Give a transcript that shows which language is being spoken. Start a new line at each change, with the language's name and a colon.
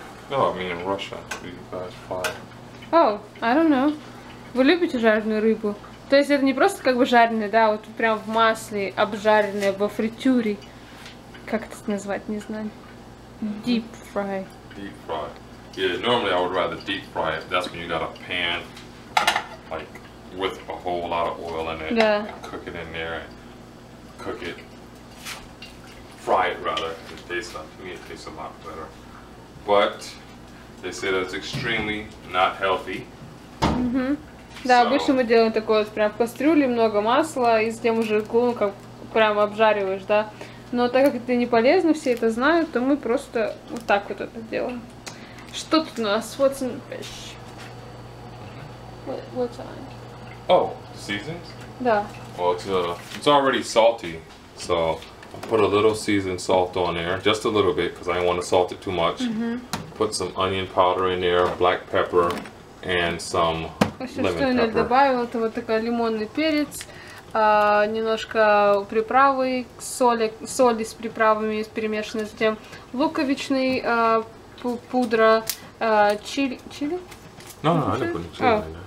English: No, I mean in Russia, you guys fry. Oh, I don't know.
Russian: Вы любите жареную рыбу? То есть это не просто как бы жареная, да, вот прям в масле, обжаренная, во фритюре. Как это назвать, не знаю. Deep fry.
English: Deep fry. Yeah, normally I would rather deep fry it. That's when you got a pan, like, with a whole lot of oil in it.
Russian: Да.
English: Cook it in there. And cook it. Fry it, rather. It tastes, to me, it tastes a lot better. But they say that it's extremely not healthy. Mm-hmm.
Russian: Да, so, обычно мы делаем такое вот прям в кастрюле, много масла, и затем уже клубом как прям обжариваешь, да. Но так как это не полезно, все это знают, то мы просто вот так вот это делаем. Что тут у нас?
English: What's in the fish? What's on? Oh, seasons?
Russian: Да.
English: Well, it's already salty, so I put a little seasoned salt on there, just a little bit, because I don't want to salt it too much. Mm-hmm. Put some onion powder in there, black pepper, and some...
Russian: Что я добавила, это вот такой лимонный перец, немножко приправы, соли с приправами перемешанной, затем луковичный пудра, чили?
English: No, no, I didn't put chili.